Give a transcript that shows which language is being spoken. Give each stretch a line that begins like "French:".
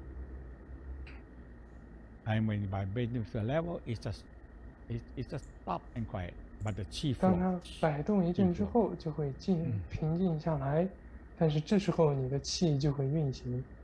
Chinese: 当地气上来的时候，到脊柱的话，就会走动的身体。
English: And when vibrating to the level, it's just stop and quiet. But the chi flow.
Chinese: 当它摆动一阵之后，就会静平静下来。但是这时候，你的气就会运行。